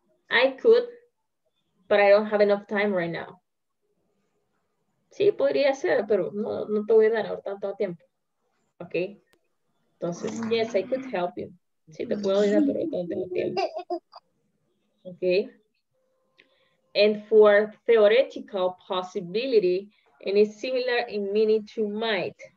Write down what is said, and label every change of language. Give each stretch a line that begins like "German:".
English: I could, but I don't have enough time right now.
Spanish: Sí, podría ser, pero no, no te voy a dar ahora tanto tiempo. Ok. Entonces,
English: yes, I could help you.
Spanish: Sí, te puedo ayudar, pero no tengo tiempo. Ok.
English: And for theoretical possibility, and it's similar in meaning to might.